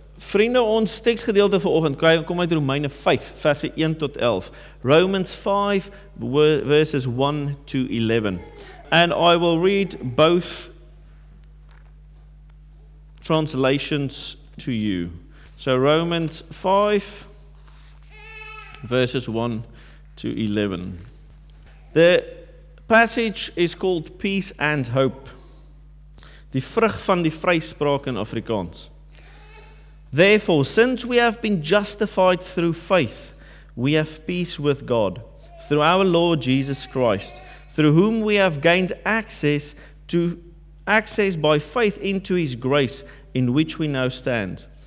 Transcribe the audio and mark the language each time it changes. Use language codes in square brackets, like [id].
[af] Vriende, ons tekstgedeelte vanoggend kom uit Romeine 5 verse 1 tot 11. [en] Romans 5 verses 1 to 11. And I will read both translations to you. So Romans 5 verses 1 to 11. The passage is called Peace and Hope. [af] Die vrug van die vryspraak in Afrikaans. [en] Therefore, since we have been justified through faith, we have peace with God, through our Lord Jesus Christ, through whom we have gained access by faith into his grace, in which we now stand.